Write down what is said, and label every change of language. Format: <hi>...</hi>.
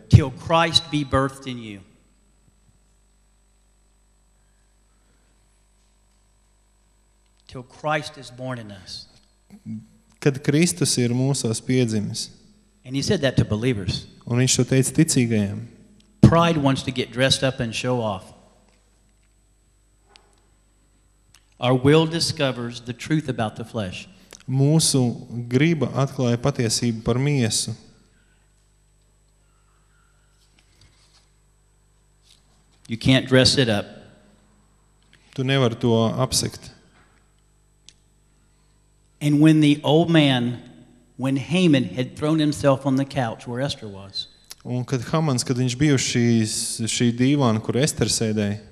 <en>Till Christ be birthed in you. Till Christ is born in us.</en> <lv>Kad Kristus ir mūsos piedzimis.</lv> <en>And he said that to believers.</en> <lv>Un viņš to teica ticīgajiem.</lv> <en>Pride wants to get dressed up and show off. Our will discovers the truth about the flesh.</en> <lv>Mūsu griba atklāja patiesību par miesu.</lv> <en>You can't dress it up.</en> <lv>Tu nevari to apsekt.</lv> <en>And when the old man, when Haman had thrown himself on the couch where Esther was.</en> <lv>Un kad Hamans, kad viņš bija šī dīvāna, kur Ester sēdēja.</lv>